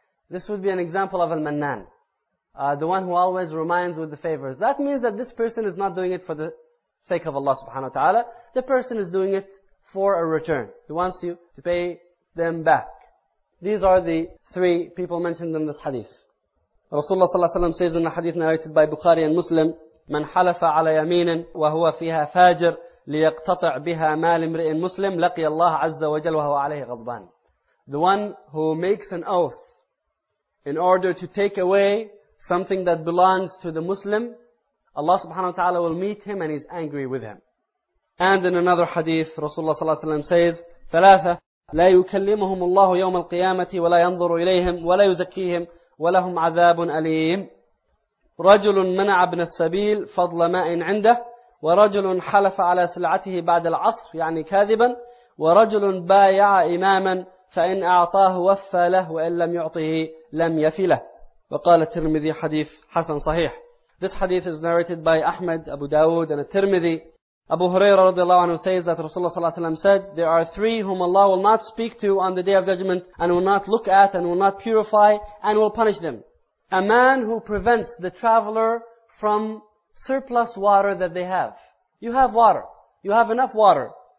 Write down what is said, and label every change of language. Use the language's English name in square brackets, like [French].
[English] This would be an example of Al-Mannan. The one who always reminds with the favors. That means that this person is not doing it for the sake of Allah subhanahu wa ta'ala. The person is doing it for a return. He wants you to pay them back. These are the 3 people mentioned in this hadith. Rasulullah sallallahu alayhi wa sallam says in the hadith narrated by Bukhari and Muslim, [Arabic] من حلف على يمين وهو فيها فاجر ليقتطع بها مال امرئ مسلم لقي الله عز وجل وهو عليه غضبان. [English] The one who makes an oath in order to take away something that belongs to the Muslim, Allah subhanahu wa ta'ala will meet him and he's angry with him. And in another hadith, Rasulullah sallallahu alayhi wa sallam says, 3, [Arabic] لا يكلمهم الله يوم القيامة ولا ينظر إليهم ولا يزكيهم ولهم عذاب أليم. رجل منع ابن السبيل فضل ماء عنده, ورجل حلف على سلعته بعد العصر يعني كاذبا, ورجل بايع إماما فإن أعطاه وفى له وإن لم يعطه لم يفي له. وقال الترمذي حديث حسن صحيح. [English] This hadith is narrated by Ahmad, Abu Dawood and Tirmidhi. Abu Huraira radiallahu anhu says that Rasulullah sallallahu alayhi wa sallam said, there are 3 whom Allah will not speak to on the Day of Judgment and will not look at and will not purify and will punish them. A man who prevents the traveler from surplus water that they have. You have water. You have enough water.